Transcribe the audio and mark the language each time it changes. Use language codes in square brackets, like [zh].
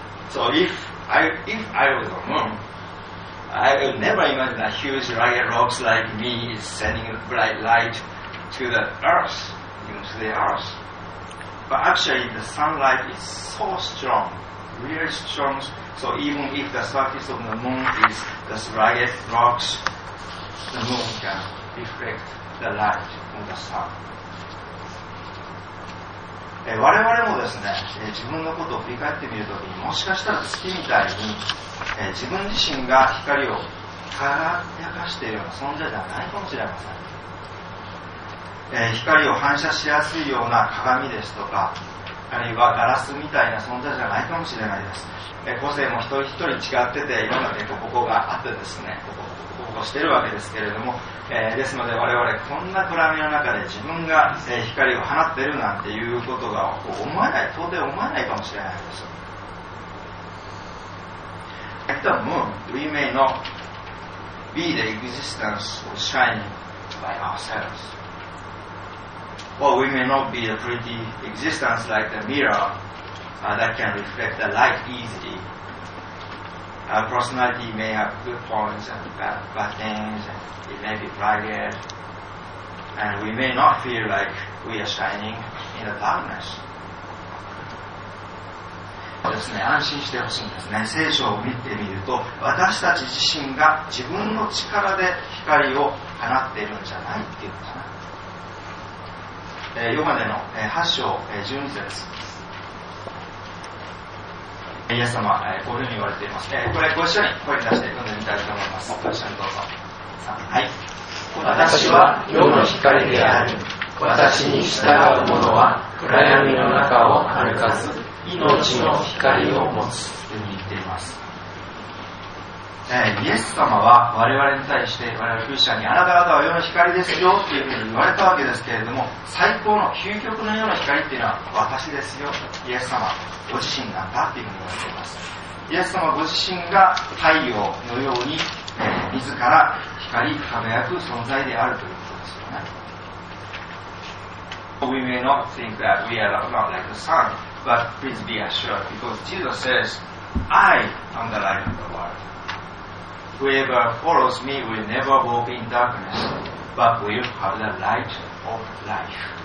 [en] So if I was a moon, I would never imagine a huge rugged rocks like me is sending a bright light to the earth, into the earth. But actually, the sunlight is so strong, really strong. So even if the surface of the moon is the rugged rocks, the moon can reflect the light from the sun. [ja] 我々もですね、自分のことを振り返ってみるときに、もしかしたら月みたいに、自分自身が光を輝かしているような存在ではないかもしれません。光を反射しやすいような鏡ですとか、あるいはガラスみたいな存在じゃないかもしれないです。個性も一人一人違ってて、いろんなデコボコがあってですね、ボコしてるわけですけれども、ですので我々こんな暗闇の中で自分が光を放ってるなんていうことが思えない、到底思えないかもしれないです。 [en] At the moon, we may not be the existence of shining by ourselves. Well, we may not be a pretty existence like the mirror that can reflect the light easily. Our personality may have good points and bad things, and it may be rugged, and we may not feel like we are shining in the darkness. [ja] ですね、安心してほしいんですね。聖書を見てみると、私たち自身が自分の力で光を放っているんじゃないっていうのかな。ヨハネの8章12節です。イエス様こういうふうに言われています。これご一緒に声に出して読んでみたいと思います。ご一緒にどうぞ。はい。私は世の光である。私に従う者は暗闇の中を歩かず命の光を持つと言っています。イエス様は我々に対して、我々クリスチャンにあなた方は世の光ですよっていうふうに言われたわけですけれども、最高の究極の世の光っていうのは私ですよ、イエス様ご自身なんだっていうふうに言われています。イエス様ご自身が太陽のように、自ら光り輝く存在であるということですよね。 [en] We may not think that we are not like the sun, but please be assured, because Jesus says I am the light of the worldWhoever follows me will never walk in darkness, but will have the light of life.